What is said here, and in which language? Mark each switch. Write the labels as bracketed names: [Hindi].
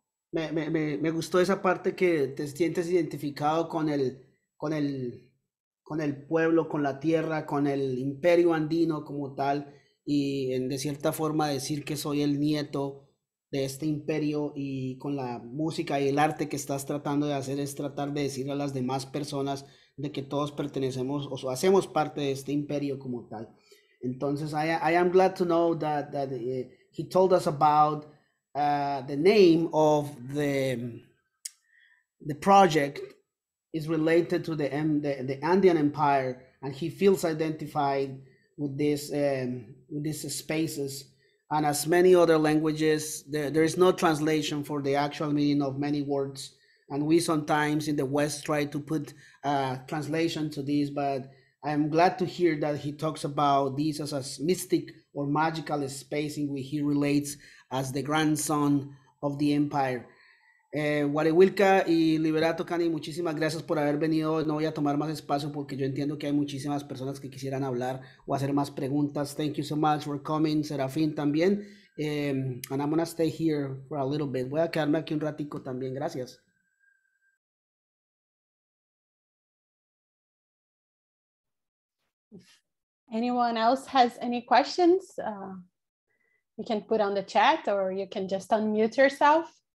[Spanish] Me gustó esa parte que te sientes identificado con el pueblo, con la tierra, con el imperio andino como tal, y en de cierta forma decir que soy el nieto de este imperio, y con la música y el arte que estás tratando de hacer es tratar de decir a las demás personas de que todos pertenecemos o hacemos parte de este imperio como tal. [English] Entonces, I am glad to know that he told us about the name of the project is related to the Andean Empire, and he feels identified with these spaces. And as many other languages, there is no translation for the actual meaning of many words. And we sometimes in the West try to put a translation to this, but I'm glad to hear that he talks about this as a mystic or magical space in which he relates as the grandson of the empire. [Spanish] Wari Wilka y Liberato Cani, muchísimas gracias por haber venido. No voy a tomar más espacio porque yo entiendo que hay muchísimas personas que quisieran hablar o hacer más preguntas. [English] Thank you so much for coming, Serafín también. And I'm gonna stay here for a little bit. [Spanish] Voy a quedarme aquí un ratico también. Gracias. [English] If anyone else has any questions, you can put on the chat or you can just unmute yourself.